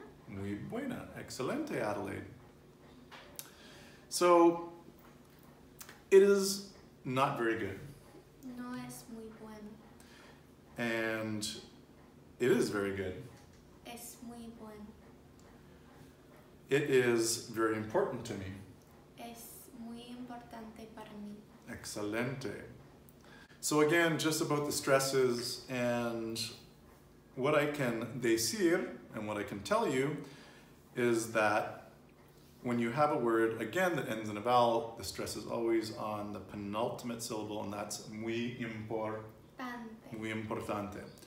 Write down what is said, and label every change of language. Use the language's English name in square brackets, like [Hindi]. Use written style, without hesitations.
[Spanish] Muy buena. [English] Excelente, Adelaide. So, it is not very good. [Spanish] No es muy bueno. [English] And it is very good. [Spanish] Es muy bueno. [English] It is very important to me. [Spanish] Es muy importante para mí. Excelente. [English] So again, just about the stresses and what I can decir and what I can tell you is that when you have a word, again, that ends in a vowel, the stress is always on the penultimate syllable, and that's muy importante. Muy importante.